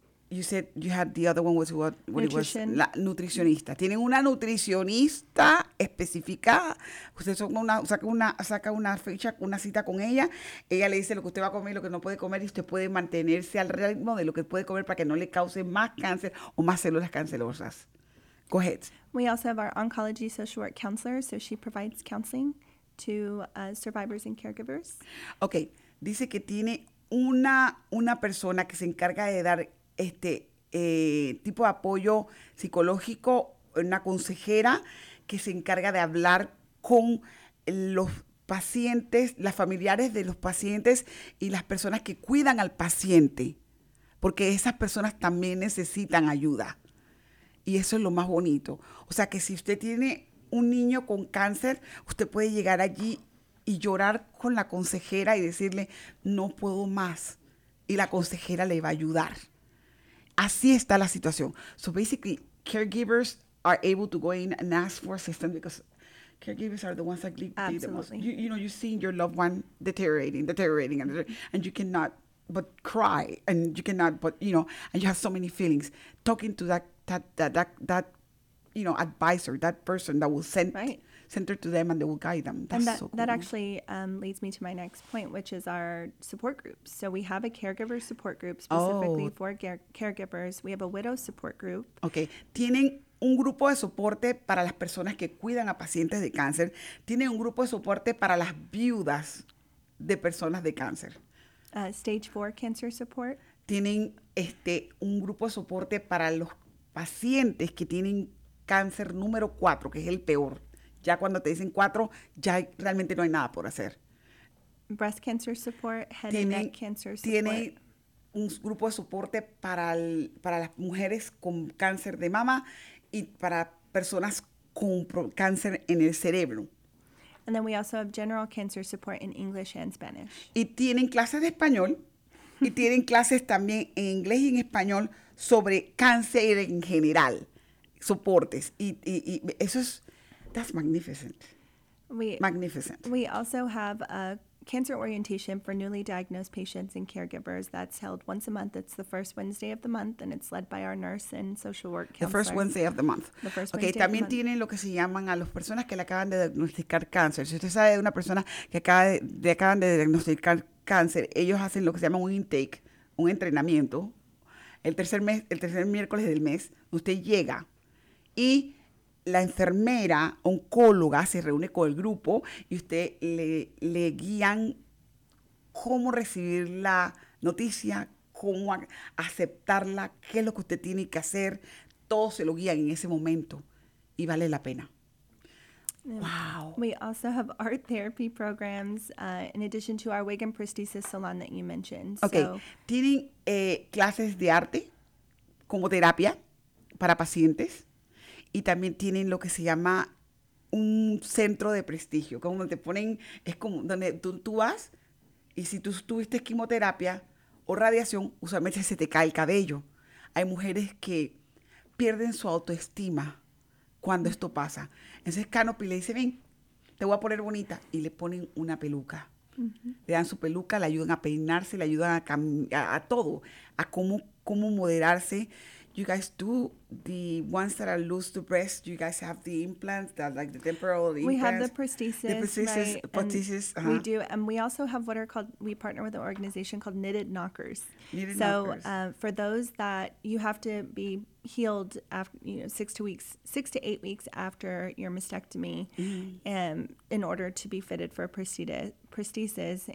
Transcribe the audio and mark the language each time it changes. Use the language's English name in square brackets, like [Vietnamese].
[English] You said you had the other one was what it [Spanish] was, la nutricionista. Tienen una nutricionista específica. Usted saca una fecha, una cita con ella. Ella le dice lo que usted va a comer y lo que no puede comer, y usted puede mantenerse al ritmo de lo que puede comer para que no le cause más cáncer o más células cancerosas. [English] Go ahead. We also have our oncology social work counselor, so she provides counseling to survivors and caregivers. Okay. [Spanish] Dice que tiene una persona que se encarga de dar tipo de apoyo psicológico, una consejera que se encarga de hablar con los pacientes, las familiares de los pacientes y las personas que cuidan al paciente, porque esas personas también necesitan ayuda. Y eso es lo más bonito. O sea, que si usted tiene un niño con cáncer, usted puede llegar allí y llorar con la consejera y decirle, no puedo más. Y la consejera le va a ayudar. Así está la situación. [English] So basically, caregivers are able to go in and ask for assistance because caregivers are the ones that need absolutely the most. You know, you've seen your loved one deteriorating, and you cannot but cry, and you cannot but, you know, and you have so many feelings. Talking to that you know, advisor, that person that will send her to them and they will guide them. That's so cool. That actually leads me to my next point, which is our support groups. So we have a caregiver support group specifically for caregivers. We have a widow support group. Okay. [Spanish] Tienen un grupo de soporte para las personas que cuidan a pacientes de cáncer. Tienen un grupo de soporte para las viudas de personas de cáncer. [English] Stage 4 cancer support. [Spanish] Tienen un grupo de soporte para los pacientes que tienen cáncer número 4, que es el peor. Ya cuando te dicen 4, ya realmente no hay nada por hacer. [English] Breast cancer support, head and neck cancer support. [Spanish] Tiene un grupo de soporte para las mujeres con cáncer de mama y para personas con cáncer en el cerebro. [English] And then we also have general cancer support in English and Spanish. [Spanish] Y tienen clases de español y tienen clases también en inglés y en español sobre cáncer en general. Soportes. Y eso es... [English] That's magnificent. Magnificent. We also have a cancer orientation for newly diagnosed patients and caregivers. That's held once a month. It's the first Wednesday of the month, and it's led by our nurse and social work counselor. The first Wednesday of the month. The first okay, Wednesday [Spanish] también [English] of the month. [Spanish] Tienen lo que se llaman a las personas que le acaban de diagnosticar cáncer. Si usted sabe de una persona que acaban de diagnosticar cáncer, ellos hacen lo que se llama un intake, un entrenamiento. El tercer miércoles del mes, usted llega y la enfermera oncóloga se reúne con el grupo y usted le guían cómo recibir la noticia, cómo aceptarla, qué es lo que usted tiene que hacer. Todo se lo guían en ese momento y vale la pena. [English] Wow. We also have art therapy programs in addition to our wig and prosthesis salon that you mentioned. Okay. So, [Spanish] tienen clases de arte como terapia para pacientes. Y también tienen lo que se llama un centro de prestigio. Como te ponen, es como donde tú vas y si tú tuviste quimioterapia o radiación, usualmente se te cae el cabello. Hay mujeres que pierden su autoestima cuando esto pasa. Entonces Canopy le dice, ven, te voy a poner bonita. Y le ponen una peluca. Le dan su peluca, le ayudan a peinarse, le ayudan a todo, a cómo moderarse. [English] You guys do the ones that are loose to breast. You guys have the implants, the temporal implants. We have the prosthesis. The prosthesis. Uh-huh. We do. And we also have what are called, we partner with an organization called Knitted Knockers. For those that you have to be healed after, 6 to 8 weeks after your mastectomy, in order to be fitted for a prosthesis.